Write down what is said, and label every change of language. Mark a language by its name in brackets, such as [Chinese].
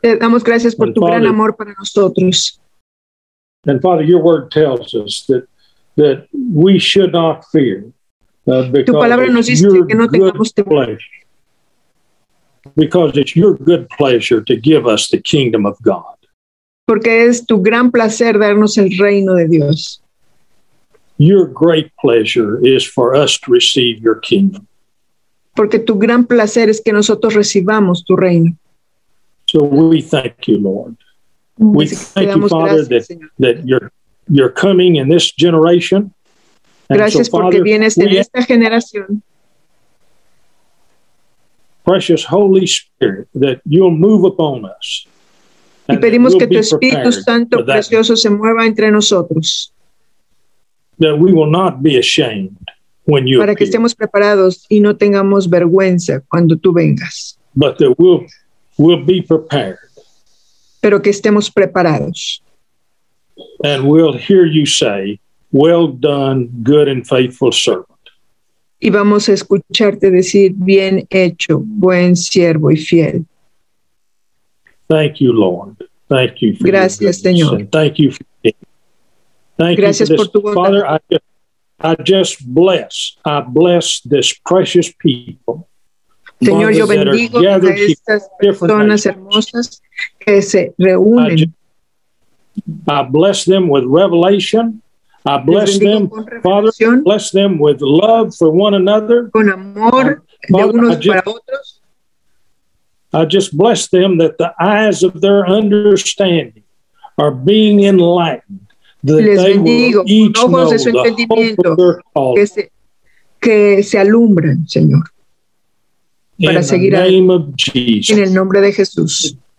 [Spanish] Te damos gracias por tu gran amor para nosotros. [English] And Father, your word tells us that we should not fear. [Spanish] Tu palabra nos dice que no tengamos temor. [English] Because it's your good pleasure to give us the kingdom of God. [Spanish] Porque es tu gran placer darnos el reino de Dios. [English] Your great pleasure is for us to receive your kingdom. [Spanish] Porque tu gran placer es que nosotros recibamos tu reino. [English] So we thank you, Lord. We thank you, Father, that you're coming in this generation. [Spanish] Gracias porque vienes en esta generación. [English] Precious Holy Spirit, that you'll move upon us. [Spanish] Y pedimos que tu Espíritu Santo precioso se mueva entre nosotros. [English] That we will not be ashamed when you appear. [Spanish] Para que estemos preparados y no tengamos vergüenza cuando tú vengas. [English] But that we'll be prepared. [Spanish] Pero que estemos preparados. [English] And we'll hear you say, well done, good and faithful servant. [Spanish] Y vamos a escucharte decir, bien hecho, buen siervo y fiel. [English] Thank you, Lord. Thank you. For [Spanish] gracias, Señor. [English] And thank you for being. Thank [Spanish] gracias [English] you for this, [Spanish] por tu [English] Father. I bless this precious people. [Spanish] Señor, yo bendigo a estas personas hermosas que se reúnen. [English] I bless them with revelation. I bless them, Father. Bless them with love for one another. [Spanish] Con amor [English] Father, [Spanish] de unos para otros. [English] I just bless them that the eyes of their understanding are being enlightened. [Spanish] Les bendigo con ojos de su entendimiento que se alumbran, Señor, para seguir en el nombre de Jesús.